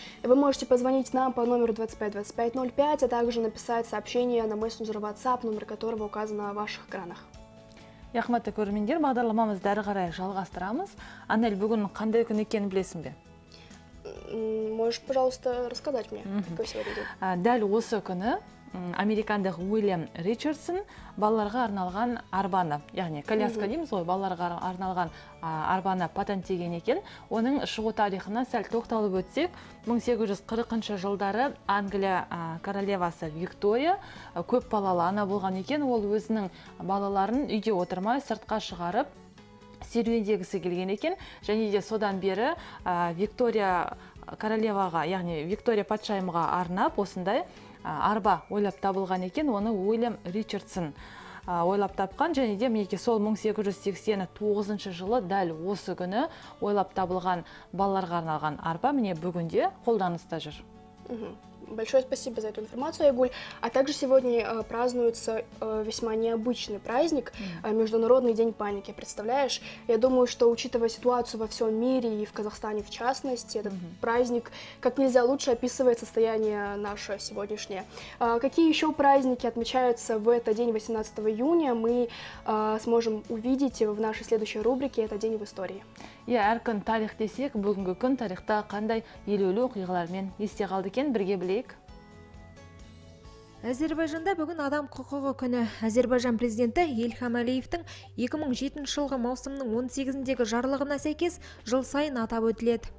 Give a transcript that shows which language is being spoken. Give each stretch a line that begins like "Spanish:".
Russian: Вы можете позвонить нам по номеру 252505, а также написать сообщение на мессенджер WhatsApp, номер которого указан на ваших экранах. Яхмата Курминдир, Бадарла Мамас Даргара, Жалгастрамас, Анель Бугун, Хандек Никен Блесмбе. Можешь, пожалуйста, рассказать мне, какой сегодня день?
Kazakh: Дәл осы күні, американдық Уильям Ричардсон балаларға арналған арбаны, яғни коляска дейміз ғой, балаларға арналған арбаны патенттеген екен. Оның шығу тарихына сәл тоқталып өтсек, 1840 жылдары Англия королевасы Виктория көп балалы ана болған екен. Ол өзінің балаларын үйге отырмай сыртқа шығарып, серуендегісі келген екен. Және де содан бері Виктория королеваға, яғни Виктория патшайымға арнап осындай арба ойлап табылған екен, оны Уильям Ричардсон ойлап тапқан. Және де мінекі сол 1889 жылы дәл осы күні ойлап табылған балаларға арналған арба міне бүгінде қолданыста жүр.
Russian: Большое спасибо за эту информацию, Айгуль. А также сегодня празднуется весьма необычный праздник, Международный день паники, представляешь? Я думаю, что учитывая ситуацию во всем мире и в Казахстане в частности, этот праздник как нельзя лучше описывает состояние наше сегодняшнее. Какие еще праздники отмечаются в этот день 18 июня, мы сможем увидеть в нашей следующей рубрике «Это день в истории».
Kazakh: Иә, әр күн тарих десек, бүгінгі күн тарихта қандай елеулі оқиғалармен есте қалды екен, бірге білейік. Әзербайжанда бүгін адам құқығы күні. Әзербайжан президенті Ильхам Әлиевтің 2007 жылғы маусымның 18-ндегі жарлығына сәйкес жыл сайын атап өтіледі.